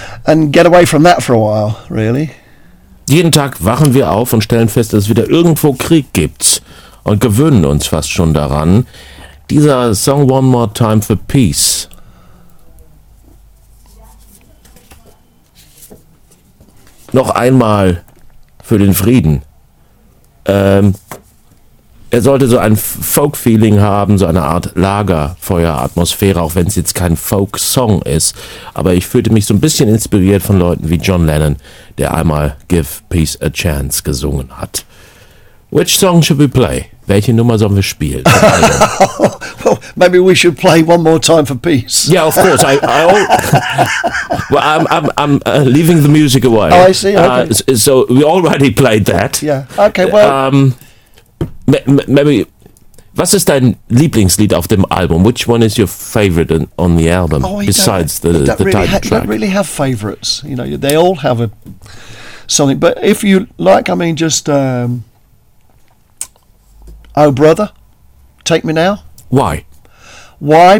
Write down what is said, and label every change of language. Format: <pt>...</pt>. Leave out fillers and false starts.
<en>and get away from that for a while, really.</en> <de>Jeden Tag wachen wir auf und stellen fest, dass es wieder irgendwo Krieg gibt und gewöhnen uns fast schon daran. Dieser Song One More Time for Peace. Noch einmal für den Frieden. Er sollte so ein Folk-Feeling haben, so eine Art Lagerfeuer-Atmosphäre, auch wenn es jetzt kein Folk-Song ist. Aber ich fühlte mich so ein bisschen inspiriert von Leuten wie John Lennon, der einmal Give Peace a Chance gesungen hat.</de> <en>Which song should we play?</en> <de>Welche Nummer sollen wir spielen?</de> <en>Well, maybe we should play One More Time for Peace. Yeah, of course. I'm leaving the music away. Oh, I see. Okay. So we already played that. Yeah. Okay, well...</en> <de>Maybe, was ist dein Lieblingslied auf dem Album?</de> <en>Which one is your favorite on the album, besides the really title track? I don't really have favorites. You know, they all have a something. But if you like, I mean, just Oh Brother, Take Me Now. Why? Why?</en>